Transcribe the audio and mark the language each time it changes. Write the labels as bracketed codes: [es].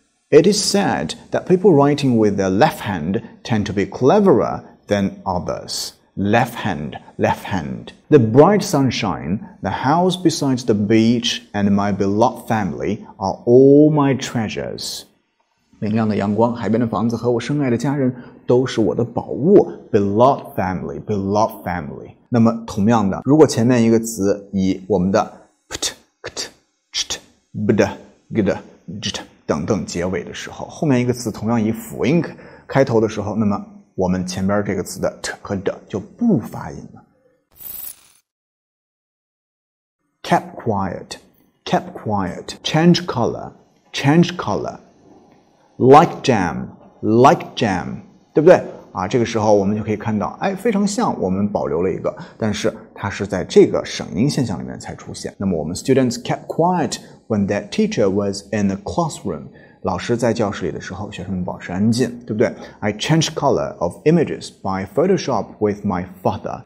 [en] It is said that people writing with their left hand tend to be cleverer than others. Left hand. The bright sunshine, the house besides the beach, and my beloved family are all my treasures. [zh] 明亮的阳光，海边的房子和我深爱的家人都是我的宝物。 [en] Beloved family, beloved family。 [zh] 那么同样的，如果前面一个词以我们的 pt, kt, chit, bd, gd, jt 等等结尾的时候，后面一个词同样以辅音开头的时候，那么我们前边这个词的 t 和 d 就不发音了。 [en] Kept quiet, kept quiet. Change color, change color. Like jam, like jam, [zh] 对不对啊？这个时候我们就可以看到，哎，非常像，我们保留了一个，但是它是在这个省音现象里面才出现。那么我们 [en] students kept quiet when that teacher was in the classroom. [zh] 老师在教室里的时候，学生们保持安静，对不对？ [en] I changed color of images by Photoshop with my father.